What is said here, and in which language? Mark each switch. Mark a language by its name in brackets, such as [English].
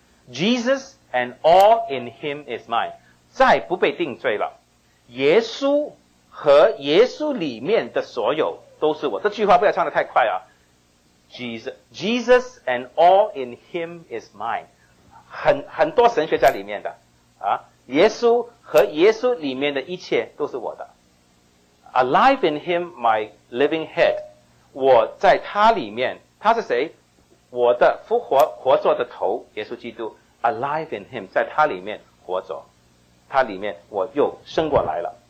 [English] Jesus and all in Him is mine. [Chinese] 再不被定罪了，耶稣。和耶稣里面的所有都是我。这句话不要唱得太快啊。 [English] Jesus and all in him is mine. [Chinese] 很多神学家里面的啊，耶稣和耶稣里面的一切都是我的。 [English] Alive in him, my living head. [Chinese] 我在他里面，他是谁？我的复活活作的头，耶稣基督。 [English] Alive in him, [Chinese] 在他里面活着，他里面我又生过来了。